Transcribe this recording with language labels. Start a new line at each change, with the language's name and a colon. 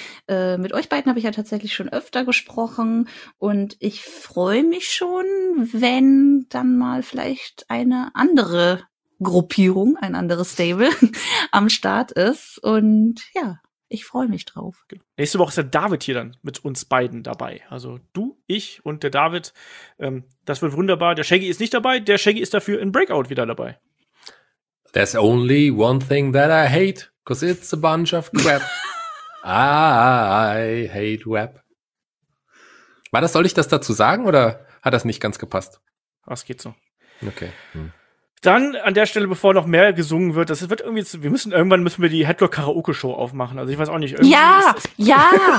German: Mit euch beiden habe ich ja tatsächlich schon öfter gesprochen und ich freue mich schon, wenn dann mal vielleicht eine andere Gruppierung, ein anderes Stable am Start ist und ja, ich freue mich drauf. Nächste Woche ist der David hier dann mit uns beiden dabei, also du, ich und der David, das wird wunderbar. Der Shaggy ist nicht dabei, der Shaggy ist dafür in Breakout wieder dabei.
English: There's only one thing that I hate, 'cause it's a bunch of crap. I hate web.
German: War das, soll ich das dazu sagen oder hat das nicht ganz gepasst? Was geht so. Okay. Dann an der Stelle, bevor noch mehr gesungen wird, das wird irgendwie, irgendwann müssen wir die Headlock-Karaoke-Show aufmachen. Also ich weiß auch nicht. Ja, ja.